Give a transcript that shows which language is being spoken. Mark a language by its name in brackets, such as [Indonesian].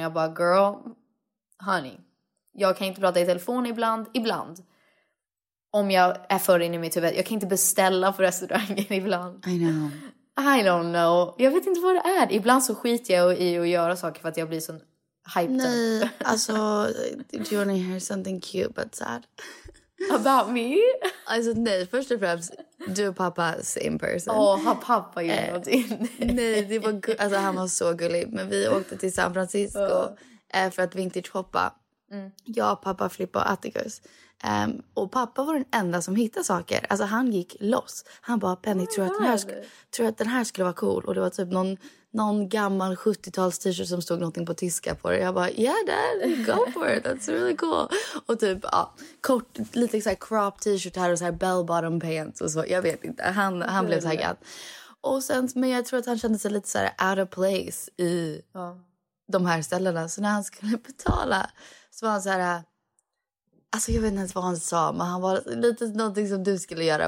[Swedish] Jag bara, [English] girl, honey, [Swedish] jag kan inte prata i telefon ibland. Om jag är för inne i mitt huvud. Jag kan inte beställa på restaurangen ibland. [English] I know. I don't know. [Swedish] Jag vet inte vad det är. Ibland så skiter jag i att göra saker för att jag blir så hyped. Nej, alltså, [English] do you want to hear something cute but sad? About me? [Swedish] Alltså nej, först och främst, du och pappa, [English] same person. [Swedish] Åh, har pappa gjort någonting? Nej, det var alltså, han var så gullig. Men vi åkte till San Francisco för att vintage hoppa. Mm. Jag, pappa, Flippa och Atticus. Och pappa var den enda som hittade saker. Alltså han gick loss. Han bara, Penny, tror att den här skulle vara cool? Och det var typ någon gammal 70-tals t-shirt som stod någonting på tyska på det. Jag bara, [English] yeah dad, go for it, that's really cool. [Swedish] Och typ, ja, kort, lite så här crop t-shirt här och så här bell bottom pants och så. Jag vet inte, han blev taggad. Och sen, men jag tror att han kände sig lite så här [English] out of place [Swedish] i de här ställena. Så när han skulle betala så var han så här, alltså jag vet inte vad han sa, men han var lite någonting som du skulle göra.